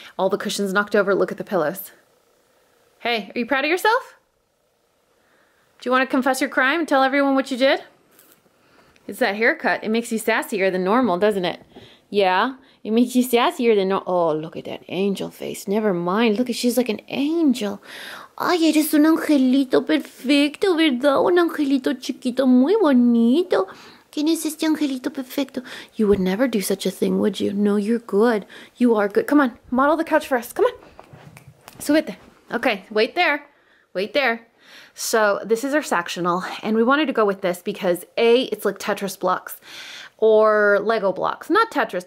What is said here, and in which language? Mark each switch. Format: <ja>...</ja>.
<en>All the cushions knocked over. Look at the pillows. Hey, are you proud of yourself? Do you want to confess your crime and tell everyone what you did? It's that haircut. It makes you sassier than normal, doesn't it? Yeah, it makes you sassier than normal. Oh, look at that angel face. Never mind. Look, she's like an angel.</en> <es>Ay, eres un angelito perfecto, ¿verdad? Un angelito chiquito muy bonito. ¿Quién es este angelito perfecto?</es> <en>You would never do such a thing, would you? No, you're good. You are good. Come on, model the couch for us. Come on. Subete. Okay, wait there. Wait there. So this is our sectional, and we wanted to go with this because A, it's like Tetris blocks or Lego blocks. Not Tetris.</en>